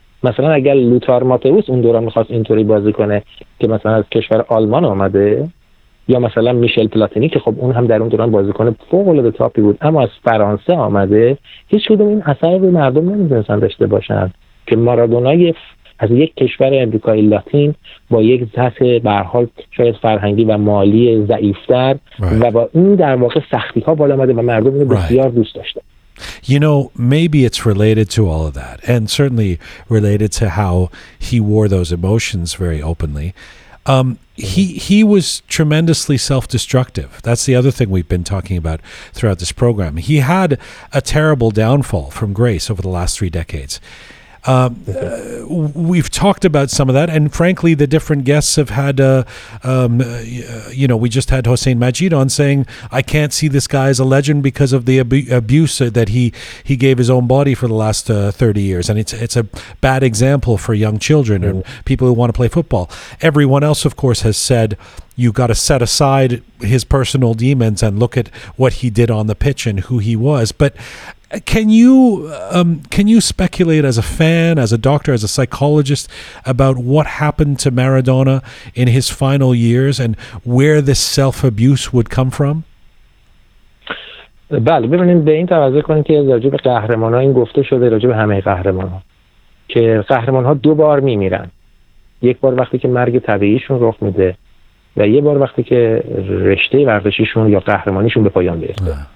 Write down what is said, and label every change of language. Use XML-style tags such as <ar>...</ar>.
<fa>مثلا اگر لوتار ماتئوس اون دوران میخواست اینطوری بازی کنه که مثلا از کشور آلمان آمده، یا مثلا میشل پلاتینی که خب اون هم در اون دوران بازیکن فوق‌العاده تاپی بود اما از فرانسه آمده، هیچ کدوم این اثر رو مردم نمی‌دونستن داشته باشن که مارادونا از یک کشور امریکای لاتین با یک ذات به هر حال شاید فرهنگی و مالی ضعیف‌تر و با این در واقع سختی‌ها بالا آمده و مردم اینو بسیار دوست داشتن.</fa> <en>You know, maybe it's related to all of that and certainly related to how he wore those emotions very openly. He was tremendously self-destructive. That's the other thing we've been talking about throughout this program. He had a terrible downfall from grace over the last three decades. We've talked about some of that, and frankly, the different guests have had, you know, we just had Hossein Majid on saying, I can't see this guy as a legend because of the abuse that he gave his own body for the last 30 years. And it's a bad example for young children and people who want to play football. Everyone else, of course, has said, you've got to set aside his personal demons and look at what he did on the pitch and who he was. But can you speculate as a fan, as a doctor, as a psychologist about what happened to Maradona in his final years and where this self-abuse would come from?</en> <fa>بله ببینیم به این توجه کنیم که راجع به قهرمان ها این گفته شده، راجع به همه قهرمان ها، که قهرمان ها دو بار میمیرن، یک بار وقتی که مرگ طبیعیشون رخ میده و یه بار وقتی که رشته ورزشیشون یا قهرمانیشون به پایان میرسه.</fa>